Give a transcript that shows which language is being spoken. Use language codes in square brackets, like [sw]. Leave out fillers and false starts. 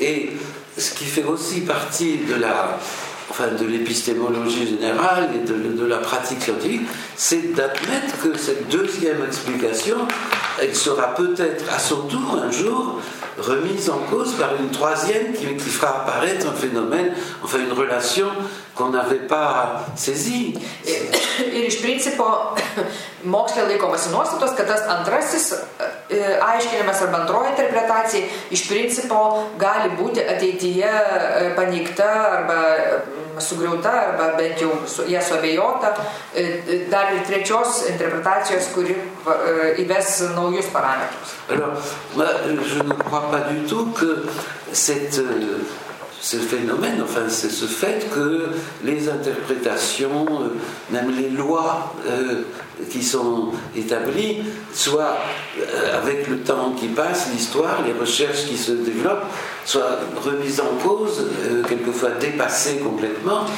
[fr] Et ce qui fait aussi partie de la, enfin, de l'épistémologie générale et de la pratique scientifique, c'est d'admettre que cette deuxième explication, elle sera peut-être à son tour un jour remise en cause par une troisième qui fera apparaître un phénomène, enfin une relation qu'on n'avait pas saisie. [lt] Ir iš principo, mokslė laikomasi nuostatos, kad tas antrasis aiškinimas arba antroji interpretacija iš principo gali būti ateityje paneigta arba sugriauta arba bent jau ją suabejota dar ir trečios interpretacijos, kuri įves naujus parametrus. [fr] Alors, je ne crois pas du tout que cette ce phénomène, enfin, c'est ce fait que les interprétations, même les lois qui sont établies, soit avec le temps qui passe, l'histoire, les recherches qui se développent, soit remises en cause, quelquefois dépassées complètement.